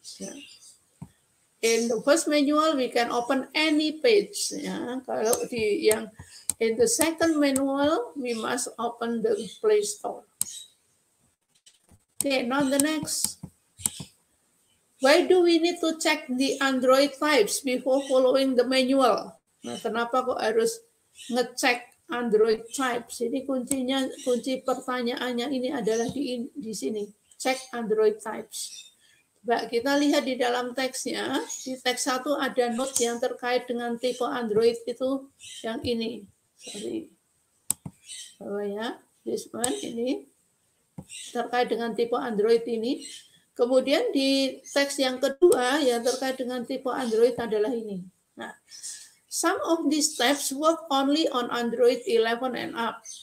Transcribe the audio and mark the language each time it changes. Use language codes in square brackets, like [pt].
[en] Yeah. In the first manual, we can open any page. Ya. [id] Kalau di yang [en] in the second manual, we must open the Play Store. Okay, now the next. Why do we need to check the Android types before following the manual? [id] Nah, kenapa kok harus ngecek Android types? Ini kuncinya, kunci pertanyaannya ini adalah di sini. [en] check Android types. [id] Mbak, kita lihat di dalam teksnya, di teks 1 ada note yang terkait dengan tipe Android itu yang ini. [en] Sorry. [id] Bawah ya, [en] this one, [id] ini. Terkait dengan tipe Android ini. Kemudian di teks yang kedua yang terkait dengan tipe Android adalah ini. [en] Nah, some of these steps work only on Android 11 and up.